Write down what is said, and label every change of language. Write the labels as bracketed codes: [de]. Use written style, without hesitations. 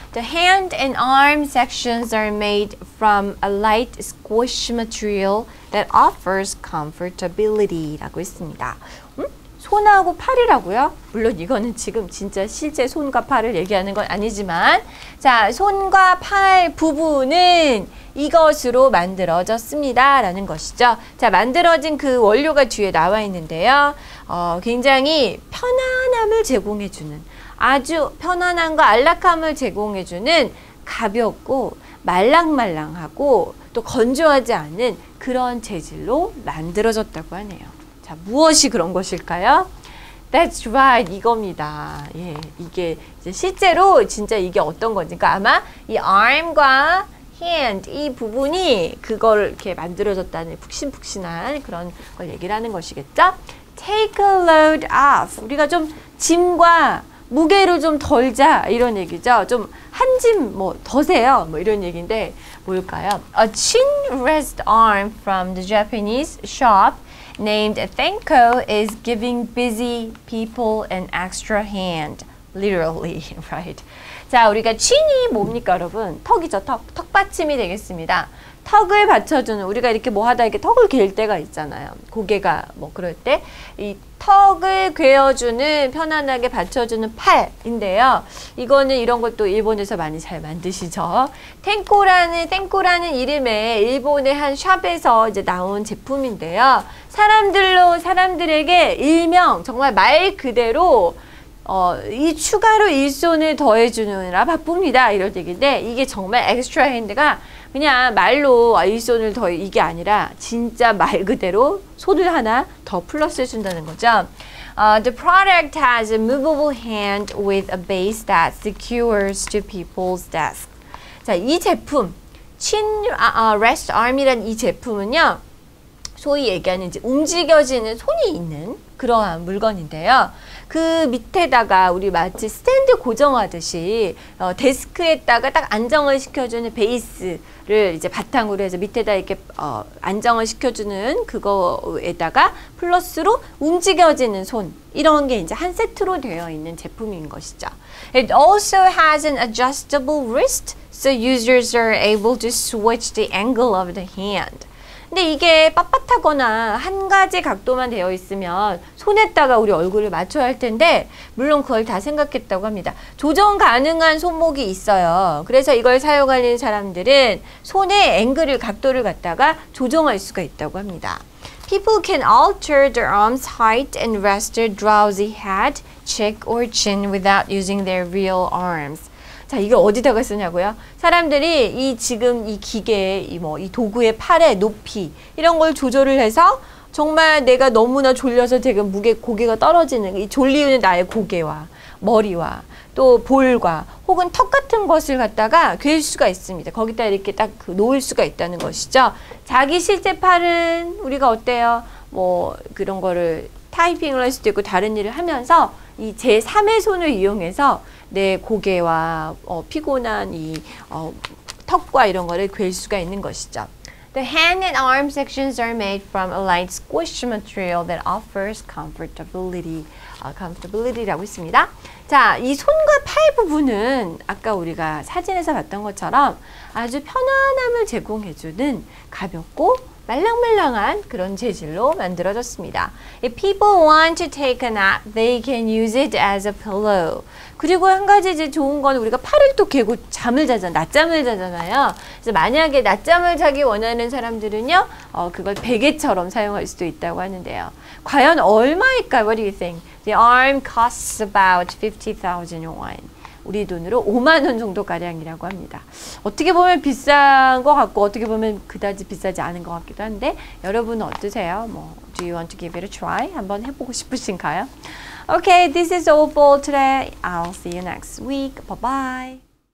[en] The hand and arm sections are made from a light squish material that offers comfortability [ko] 라고 했습니다. 손하고 팔이라고요? 물론 이거는 지금 진짜 실제 손과 팔을 얘기하는 건 아니지만 자, 손과 팔 부분은 이것으로 만들어졌습니다 라는 것이죠. 자, 만들어진 그 원료가 뒤에 나와 있는데요. 굉장히 편안함을 제공해주는 아주 편안함과 안락함을 제공해주는 가볍고 말랑말랑하고 또 건조하지 않은 그런 재질로 만들어졌다고 하네요. 자, 무엇이 그런 것일까요? [en] That's right, [ko] 이겁니다. 예, 이게 이제 실제로 진짜 이게 어떤 건지가 아마 이 arm과 hand 이 부분이 그걸 이렇게 만들어졌다는 푹신푹신한 그런 걸 얘기를 하는 것이겠죠? [en] Take a load off. [ko] 우리가 좀 짐과 무게를 좀 덜자 이런 얘기죠. 좀 한 짐 뭐 더세요 뭐 이런 얘기인데 뭘까요? [en] A chin rest arm from the Japanese shop named Thanko is giving busy people an extra hand, literally, right? [ko] 자, 우리가 chin이 뭡니까, 여러분? 턱이죠, 턱. 턱받침이 되겠습니다. 턱을 받쳐주는, 우리가 이렇게 뭐 하다 이렇게 턱을 갤 때가 있잖아요. 고개가 뭐 그럴 때. 이 턱을 괴어주는, 편안하게 받쳐주는 팔인데요. 이거는 이런 것도 일본에서 많이 잘 만드시죠. 탱코라는 이름의 일본의 한 샵에서 이제 나온 제품인데요. 사람들에게 일명, 정말 말 그대로 이 추가로 일손을 더해주느라 바쁩니다. 이런 얘기인데 이게 정말 엑스트라 핸드가 그냥 말로 일손을 더해 이게 아니라 진짜 말 그대로 손을 하나 더 플러스 해준다는 거죠. [en] The product has a movable hand with a base that secures to people's desk. [ko] 자, 이 제품, rest arm이라는 이 제품은요. 소위 얘기하는 이제 움직여지는 손이 있는 그러한 물건인데요. 그 밑에다가 우리 마치 스탠드 고정하듯이 데스크에다가 딱 안정을 시켜주는 베이스를 이제 바탕으로 해서 밑에다 이렇게 안정을 시켜주는 그거에다가 플러스로 움직여지는 손 이런 게 이제 한 세트로 되어 있는 제품인 것이죠. [en] It also has an adjustable wrist so users are able to switch the angle of the hand. [ko] 근데 이게 빳빳하거나 한 가지 각도만 되어 있으면 손에다가 우리 얼굴을 맞춰야 할 텐데 물론 그걸 다 생각했다고 합니다. 조정 가능한 손목이 있어요. 그래서 이걸 사용하는 사람들은 손의 앵글을 각도를 갖다가 조정할 수가 있다고 합니다. [en] People can alter their arm's height and rest their drowsy head, cheek or chin without using their real arms. [ko] 자, 이거 어디다가 쓰냐고요? 사람들이 이 지금 이 기계에 이 도구의 팔의 높이 이런 걸 조절을 해서 정말 내가 너무나 졸려서 지금 고개가 떨어지는 이 졸리는 나의 고개와 머리와 또 볼과 혹은 턱 같은 것을 갖다가 괼 수가 있습니다. 거기다 이렇게 딱 그 놓을 수가 있다는 것이죠. 자기 실제 팔은 우리가 어때요? 뭐 그런 거를 타이핑을 할 수도 있고 다른 일을 하면서 이 제3의 손을 이용해서 내 고개와 피곤한 이 턱과 이런 거를 괼 수가 있는 것이죠. [en] The hand and arm sections are made from a light squish material that offers comfortability. [ko] Comfortability라고 있습니다. 자, 이 손과 팔 부분은 아까 우리가 사진에서 봤던 것처럼 아주 편안함을 제공해주는 가볍고 말랑말랑한 그런 재질로 만들어졌습니다. [en] If people want to take a nap, they can use it as a pillow. [ko] 그리고 한 가지 이제 좋은 건 우리가 팔을 또 개고 잠을 자잖아요. 낮잠을 자잖아요. 그래서 만약에 낮잠을 자기 원하는 사람들은요, 그걸 베개처럼 사용할 수도 있다고 하는데요. 과연 얼마일까요? [en] What do you think? The arm costs about 50,000 won. [ko] 우리 돈으로 5만 원 정도 가량이라고 합니다. 어떻게 보면 비싼 것 같고 어떻게 보면 그다지 비싸지 않은 것 같기도 한데 여러분 어떠세요? [en] 뭐, do you want to give it a try? [ko] 한번 해보고 싶으신가요? [en] Okay, this is all for today. I'll see you next week. Bye-bye.